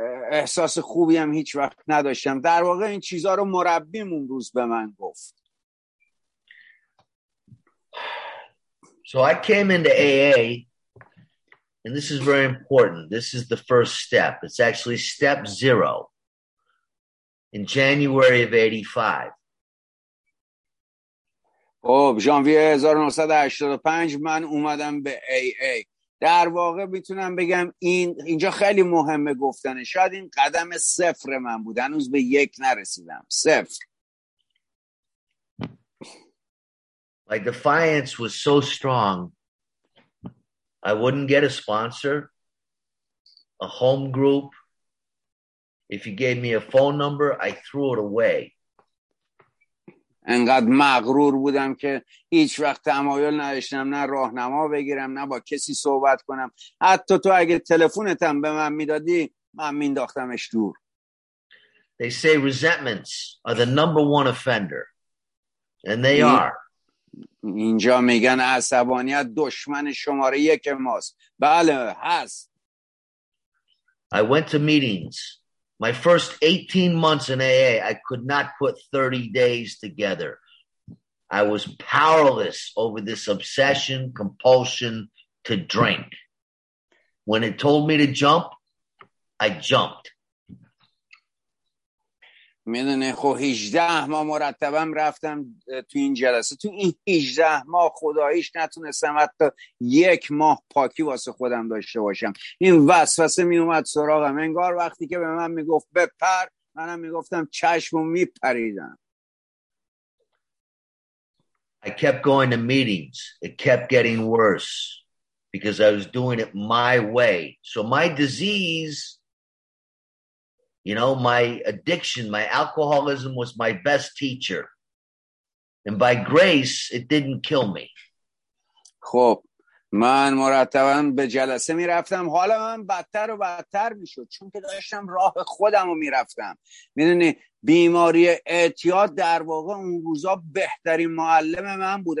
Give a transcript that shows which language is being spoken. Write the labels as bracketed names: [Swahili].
[Persian] احساس خوبی هم هیچ وقت نداشتم. در واقع این چیزها رو مربیم اون روز به من گفت. [English] So I came into AA, and this is very important. This is the first step. It's actually step zero. In January of 85. [Persian] خب ژانویه 1985 من اومدم به AA. در واقع میتونم بگم اینجا خیلی مهمه گفتنه، شاید این قدم صفر من بود، هنوز به یک نرسیدم. صفر. [English] My defiance was so strong, I wouldn't get a sponsor, a home group. If you gave me a phone number, I threw it away. [Persian] انقدر مغرور بودم که هیچ وقت تمایل نداشتم نه راهنما بگیرم نه با کسی صحبت کنم. حتی تو اگه تلفنت هم به من میدادی من مینداختمش دور. [English] They say resentments are the number one offender. And they are. [Persian] اینجا میگن عصبانیت دشمن شماره یک ماست. بله هست. [English] I went to meetings. My first 18 months in AA, I could not put 30 days together. I was powerless over this obsession, compulsion to drink. When it told me to jump, I jumped. [Persian] میدونی خب 18 ماه مرتبم رفتم تو این جلسه. تو این 18 ماه خداییش نتونستم حتی یک ماه پاکی واسه خودم داشته باشم. این وسوسه می اومد سراغم. انگار وقتی که به من میگفت بپر منم میگفتم چشمو میپریدم. [English] I kept going to meetings. It kept getting worse because I was doing it my way. So my disease, you know, my addiction, my alcoholism was my best teacher. And by grace, it didn't kill me. [Persian] خب من مرتباً به جلسه میرفتم. حالا من بدتر و بدتر میشد چون که داشتم راه خودم رو میرفتم. میدونی بیماری اعتیاد در واقع اون روزا بهترین معلم من بود.